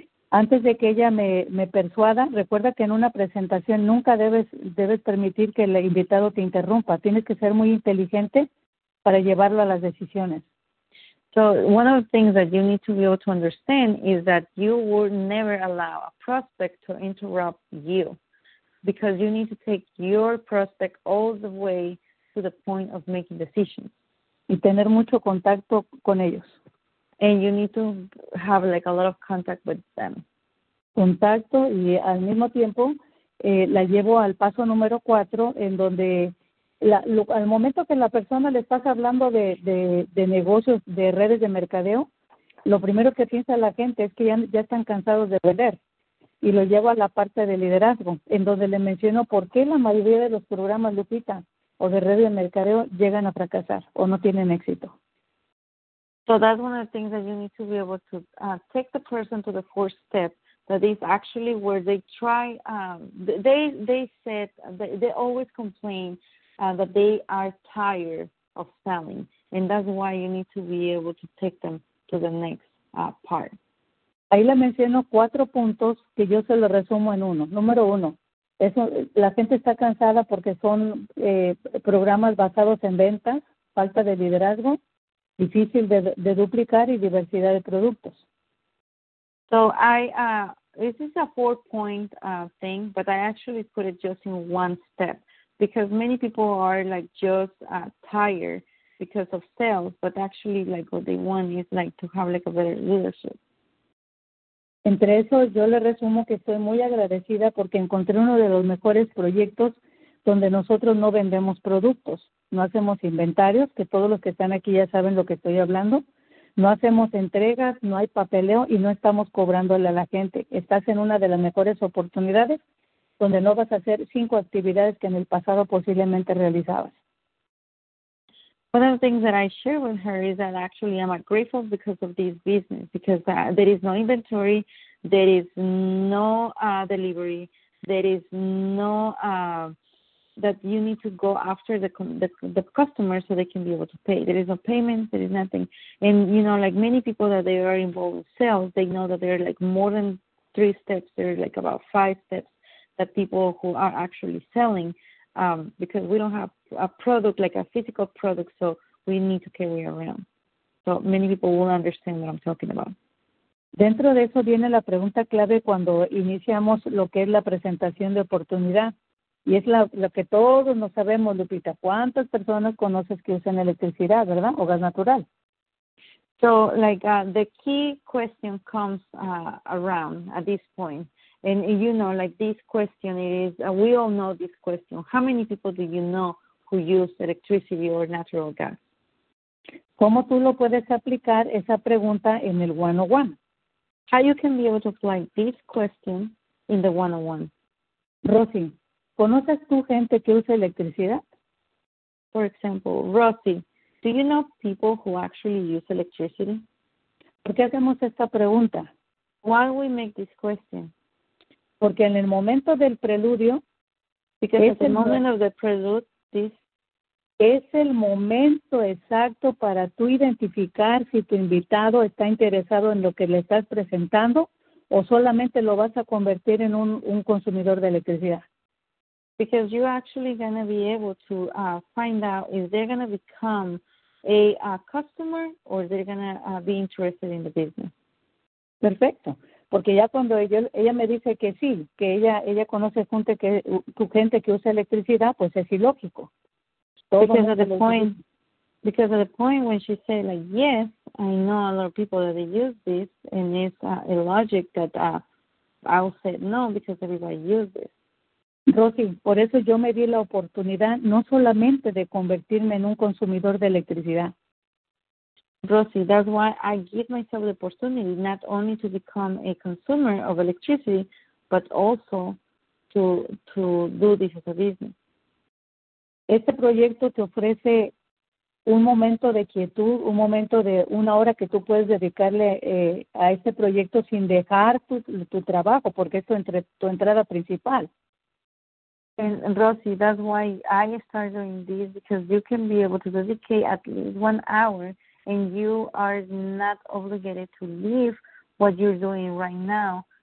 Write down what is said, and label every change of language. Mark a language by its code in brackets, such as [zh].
[es] Antes de que ella me persuada, recuerda que en una presentación nunca debes permitir que el invitado te interrumpa. Tienes que ser muy inteligente para llevarlo a las decisiones. [en] So one of the things that you need to be able to understand is that you will never allow a prospect to interrupt you, because you need to take your prospect all the way to the point of making decisions. [es] Y tener mucho contacto con ellos. [en] And you need to have like a lot of contact with them. [es] Contacto y al mismo tiempo la llevo al paso número 4, en donde al momento que la persona le estás hablando de negocios, de redes de mercadeo, lo primero que piensa la gente es que ya están cansados de vender. Y lo llevo a la parte de liderazgo, en donde le menciono por qué la mayoría de los programas, Lupita, o de redes de mercadeo, llegan a fracasar o no tienen éxito. [en] So that's one of the things that you need to be able to take the person to the fourth step, that is actually where they try, they always complain that they are tired of selling, and that's why you need to be able to take them to the next part. [es] Ahí le menciono 4 puntos que yo se lo resumo en uno. Número 1, la gente está cansada porque son programas basados en ventas, falta de liderazgo, difícil de duplicar y diversidad de productos. [en] So this is a 4-point thing, but I actually put it just in one step, because many people are like just tired because of sales, but actually like what they want is like to have like a better leadership. [es] Entre eso, yo le resumo que estoy muy agradecida porque encontré uno de los mejores proyectos donde nosotros no vendemos productos, no hacemos inventarios, que todos los que están aquí ya saben lo que estoy hablando, no hacemos entregas, no hay papeleo y no estamos cobrándole a la gente. Estás en una de las mejores oportunidades donde no vas a hacer 5 actividades que en el pasado posiblemente realizabas. [en] One of the things that I share with her is that actually I'm grateful because of this business, because there is no inventory, there is no delivery, there is no that you need to go after the customer so they can be able to pay. There is no payment, there is nothing. And, you know, like many people that they are involved in sales, they know that there are like more than 3 steps, there are like about 5 steps that people who are actually selling. Because we don't have a product, like a physical product, so we need to carry around. So many people will understand what I'm talking about. [es] Dentro de eso viene la pregunta clave cuando iniciamos lo que es la presentación de oportunidad. Y es lo que todos nos sabemos, Lupita. ¿Cuántas personas conoces que usan electricidad, verdad? O gas natural. [en] So, like, the key question comes around at this point. And, you know, like this question is, we all know this question. How many people do you know who use electricity or natural gas? [es] ¿Cómo tú lo puedes aplicar esa pregunta en el 101? [en] How you can be able to apply this question in the 101? [es] Rosy, ¿conoces tú gente que usa electricidad? [en] For example, Rosy, do you know people who actually use electricity? [es] ¿Por qué hacemos esta pregunta? [en] Why we make this question? [es] Porque en el momento del preludio, es el momento exacto para tú identificar si tu invitado está interesado en lo que le estás presentando o solamente lo vas a convertir en un consumidor de electricidad. [en] Because you're actually going to be able to find out if they're going to become a customer or they're going to be interested in the business. [es] Perfecto. Porque ya cuando ella me dice que sí, que ella conoce gente que tu gente que usa electricidad, pues es ilógico. [en] Because at the point when she said like yes, I know a lot of people that they use this, and it's illogic that I'll say no because everybody uses this. [es] Rosy, por eso yo me di la oportunidad no solamente de convertirme en un consumidor de electricidad. [en] Rosy, that's why I give myself the opportunity not only to become a consumer of electricity, but also to do this as a business. [es] Este proyecto te ofrece un momento de quietud, un momento de una hora que tú puedes dedicarle a este proyecto sin dejar tu trabajo, porque es tu entrada principal. [en] And Rosy, that's why I started doing this, because you can be able to dedicate at least 1 hour, and you are not obligated to leave what you're doing right now.